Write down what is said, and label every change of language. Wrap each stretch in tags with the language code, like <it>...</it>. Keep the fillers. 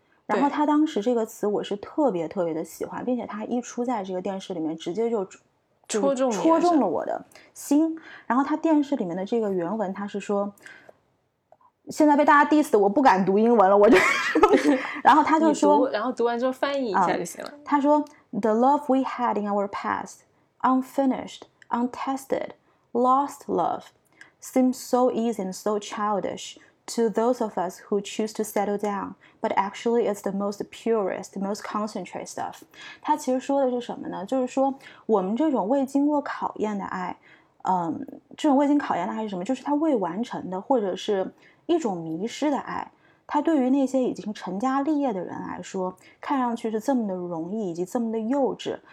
<zh>然后他当时这个词我是特别特别的喜欢，并且他一出在这个电视里面，直接就。戳中戳中了我的心。然后他电视里面的这个原文，他是说，现在被大家 diss 的，我不敢读英文了，我就。然后他就说，然后读完之后翻译一下就行了。</zh> <en>他说：“The love we had in our past, unfinished, untested, lost love, seems so easy and so childish.” To those of us who choose to settle down, but actually, it's the most pure, s the most concentrated stuff.</en> <zh>它其实说的是什么呢？就是说，我们这种未经过考验的爱，嗯，这种未经考验的爱是什么，就是它未完成的，或者是一种迷失的爱。它对于那些已经成家立业的人来说，看上去是这么的容易，以及这么的幼稚。</zh>